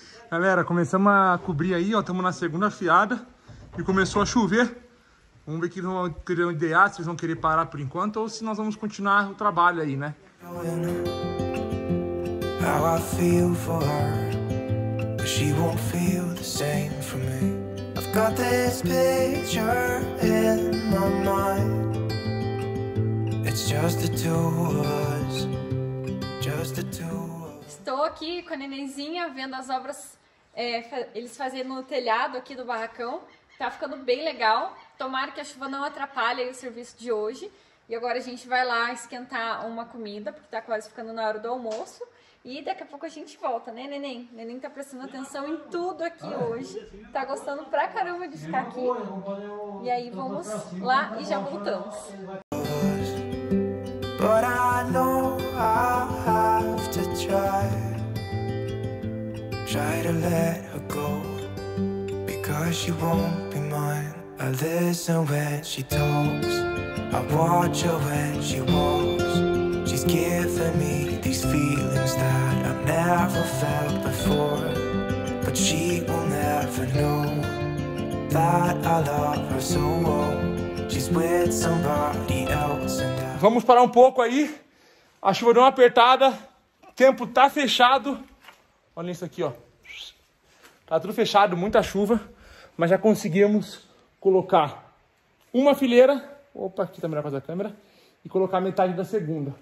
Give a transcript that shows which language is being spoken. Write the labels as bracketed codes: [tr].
[pt] Galera, começamos a cobrir aí, ó. Estamos na segunda fiada e começou a chover. Vamos ver o que eles vão querer idear, se eles vão querer parar por enquanto ou se nós vamos continuar o trabalho aí, né? [en] How I feel for her, but she won't feel the same for me. I've got this picture in my mind. It's just the two of us. Just the two of us. [pt] Estou aqui com a nenenzinha vendo as obras. É, eles fazendo o telhado aqui do barracão. Tá ficando bem legal. Tomara que a chuva não atrapalhe aí o serviço de hoje. E agora a gente vai lá esquentar uma comida, porque tá quase ficando na hora do almoço. E daqui a pouco a gente volta, né, neném? Neném tá prestando atenção em tudo aqui hoje. Tá gostando pra caramba de ficar aqui. E aí vamos lá e já voltamos. [en] But I know I have to try. Try to let her go, because she won't be mine. I listen when she talks, I watch her when she walks. She's given me these feelings that I've never felt before. But she will never know that I love her so well. She's with somebody else and I... [pt] Vamos parar um pouco aí. A chuva deu uma apertada. Tempo tá fechado. Olha isso aqui, ó. Tá tudo fechado, muita chuva, mas já conseguimos colocar uma fileira. Opa, aqui tá melhor fazer a câmera. E colocar metade da segunda.